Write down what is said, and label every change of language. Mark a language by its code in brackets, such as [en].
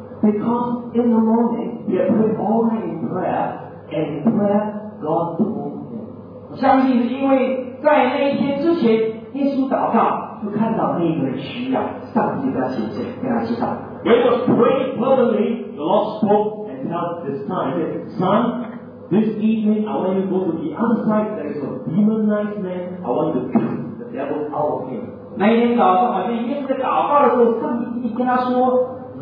[en] Because in the morning he had put all night in prayer, and in prayer God told him. [zh] 我相信是因为在那一天之前，耶稣祷告就看到那个人需要，上帝的显现，跟他知道。 [en] He was praying fervently. The Lord spoke and told this time, he said, "Son, this evening I want you to go to the other side. There is a demonized man. I want you to cast the devil out of him." [zh] 那一天早上，好像耶稣在祷告的时候，上帝跟他说。